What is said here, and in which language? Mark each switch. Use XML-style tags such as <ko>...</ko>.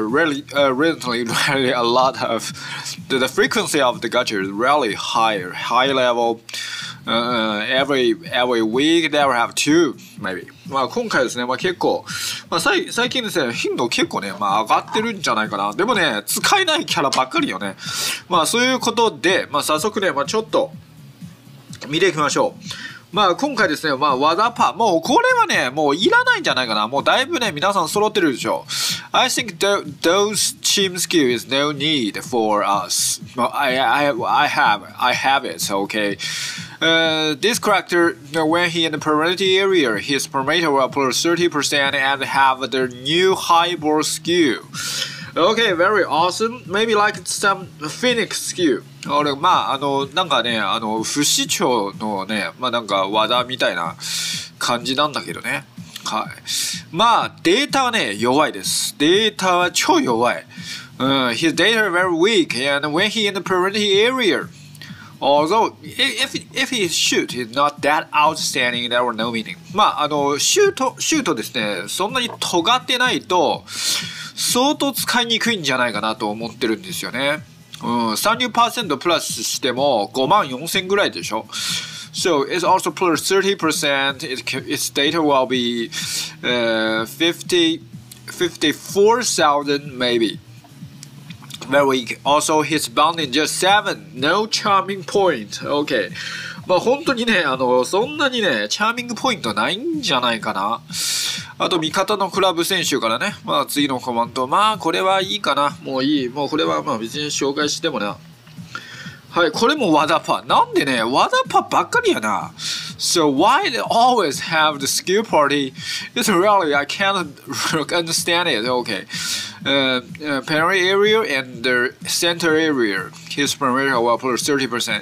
<en>Really, recently, a lot of the frequency of the gacha is really high level. Every week they will have two, maybe.</en> <ja>まあ今回ですね、まあ結構、まあ最近ですね、頻度結構ね、まあ上がってるんじゃないかな。でもね、使えないキャラばっかりよね。まあそういうことで、まあ早速ね、まあちょっと見ていきましょう。まあ今回ですね、まあ技パー、もうこれはね、もういらないんじゃないかな。もうだいぶね、皆さん揃ってるでしょう。</ja> <en>I think those team skill is no need for us. I have it, okay. This character, when he in the priority area, his parameter will pull 30% and have the new high ball skill. Okay, very awesome. Maybe like some Phoenix skill.</en> <ja>俺、まあ、なんかね、不死鳥のね、まあ、なんか、技みたいな感じなんだけどね。はい。まあ、データはね、弱いです。データは超弱い。</ja> <en>His data is very weak, and when he in the priority area, although, if his shoot is not that outstanding, there were no meaning.</en> <ja>まあ、シュートですね、そんなに尖ってないと、相当使いにくいんじゃないかなと思ってるんですよね。 30% プラスしても5万4000ぐらいでしょ。</ja> <en>So it's also plus 30%. Its data will be 54,000 maybe. Very weak. Also his bounding just 7. No charming point. Okay.</en> <ja>まあ本当にね、そんなにね、チャーミングポイントないんじゃないかな。あと味方のクラブ選手からね、まあ次のコマンド、まあこれはいいかな、もういい、もうこれはまあ別に紹介してもな、はい、これも技パー、なんでね、技パーばっかりやな。</ja> <en>So why they always have the skill party? It's really, I can't understand it. Okay, primary area and the center area, his primary will pull 30%.</en>